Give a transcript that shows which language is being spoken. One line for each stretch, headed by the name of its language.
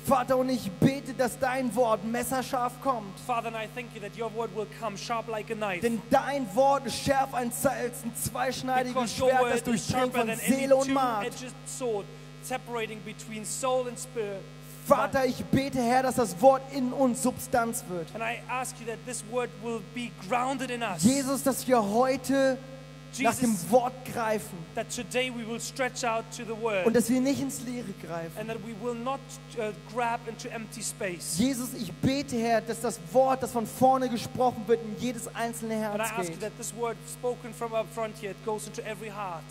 German: Vater, und ich bete, dass dein Wort messerscharf kommt.
English: Father, and I thank you that your word will come sharp like a knife.
German: Denn dein Wort ist schärfer als ein zweischneidiges Schwert, das durchdringt von Seele und Mark.
English: Separating between soul and spirit.
German: Vater, ich bete, Herr, dass das Wort in uns Substanz wird.
English: And I ask you that this word will be grounded in us.
German: Jesus, dass wir heute nach dem Wort greifen.
English: That today we will stretch out to the word.
German: Und dass wir nicht ins Leere greifen.
English: And that we will not grab into empty space.
German: Jesus, ich bete, Herr, dass das Wort, das von vorne gesprochen wird, in jedes einzelne Herz geht.
English: And I ask you that this word spoken from up front here, it goes into every heart.